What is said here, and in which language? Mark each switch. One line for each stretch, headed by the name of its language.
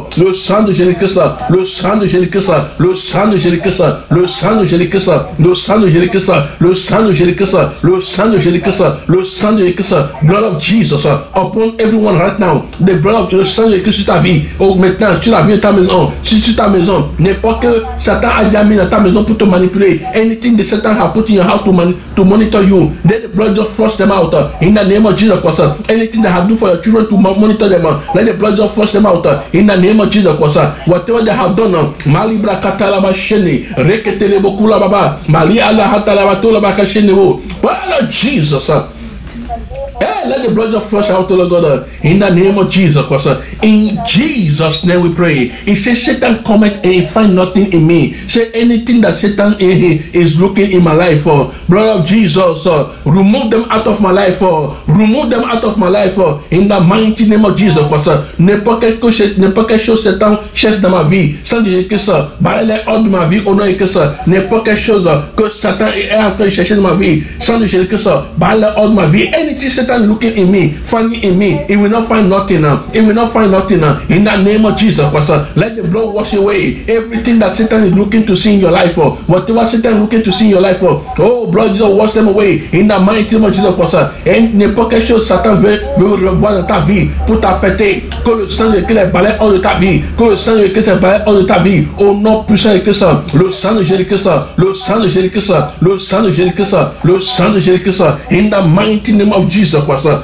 French: Le sang de Jésus, le sang de Jésus, le sang de Jésus, le sang de Jésus, le sang de Jésus, le sang de Jésus, le sang de Jésus, le sang de Jésus,
English: blood of Jesus upon everyone right now. The blood of the
French: sang de Jésus sur ta vie. Oh, maintenant, sur la vie de ta maison, sur ta maison. N'importe que Satan a déjà mis dans ta maison pour te manipuler.
English: Anything that Satan has put in your house to monitor you, let the blood just flush them out. In the name of Jesus Christ. Anything that have done for your children to monitor them, let the blood just flush them out. In the name of Jesus Christ, whatever they have done, Malibra Katalaba Sheni, Reketele Bokula Baba, Maliala Hatalaba Tolaba Kashenebo, Brother Jesus. Hey, let the blood just flush out, Lord God, in the name of Jesus Christ. In Jesus' name we pray. He says, Satan cometh and find nothing in me. Say, anything that Satan is looking in my life, Brother of Jesus, remove them out of my life. Remove them out of my life, in the mighty name of Jesus Christ.
French: N'importe quelque chose Satan cherche dans ma vie, sans dire que ça, balayez hors de ma vie, au nom de Christ. N'importe quelque chose que Satan est en train de chercher dans ma vie, sans dire que ça, balayez hors de ma vie.
English: Anything Satan looking in me, finding in me, he will not find nothing. He will not find nothing in the name of Jesus Christ. Let the blood wash away everything that Satan is looking to see in your life. Whatever Satan is looking to see in your life, oh, blood Jesus, wash them away in the mighty name of Jesus Christ.
French: And n'importe quelque chose Satan veut revoir dans ta vie pour t'affecter, que le sang de Christ balaye hors de ta vie, que le sang de Christ balaye hors de ta vie, au nom puissant de Christ, le sang de Jésus Christ, le sang de Jésus Christ, le sang de Jésus Christ, le sang de Jésus Christ,
English: in the mighty name of Jesus Christ.